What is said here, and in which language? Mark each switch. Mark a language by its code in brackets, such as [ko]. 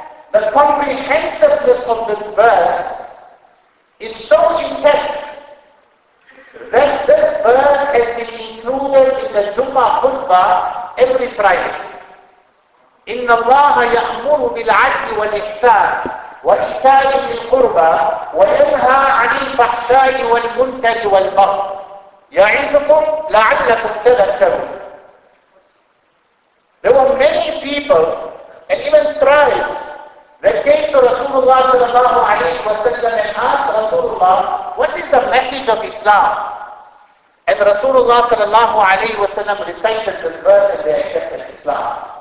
[en] The comprehensiveness of this verse is so intense that this verse has been included in the Jummah khutbah every Friday. [ar] إن الله يأمر بالعدل والإحسان وإيتاء ذي القربى وينهى عن الفحشاء والمنكر والبغي يعظكم لعلكم تذكرون. [en] There were many people and even tribes that came to Rasulullah sallallahu alayhi wa sallam and asked Rasulullah, what is the message of Islam? And Rasulullah sallallahu alayhi wa sallam recited this verse and they accepted Islam.